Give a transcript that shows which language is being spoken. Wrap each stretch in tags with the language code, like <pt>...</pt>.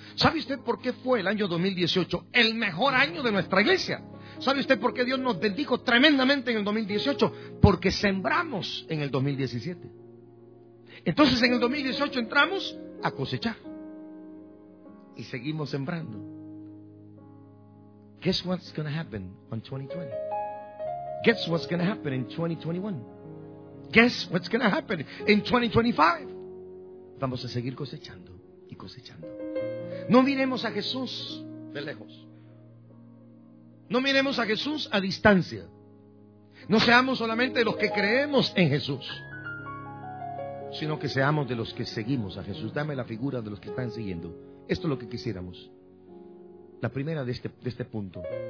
<es>¿Sabe usted por qué fue el año 2018 el mejor año de nuestra iglesia? ¿Sabe usted por qué Dios nos bendijo tremendamente en el 2018? Porque sembramos en el 2017. Entonces en el 2018 entramos a cosechar. Y seguimos sembrando.</es> <en>Guess what's going to happen on 2020? Guess what's going to happen in 2021? Guess what's going to happen in 2025?</en> <es>Vamos a seguir cosechando y cosechando. No miremos a Jesús de lejos. No miremos a Jesús a distancia. No seamos solamente los que creemos en Jesús, sino que seamos de los que seguimos a Jesús. Dame la figura de los que están siguiendo. Esto es lo que quisiéramos. La primera de este punto.</es>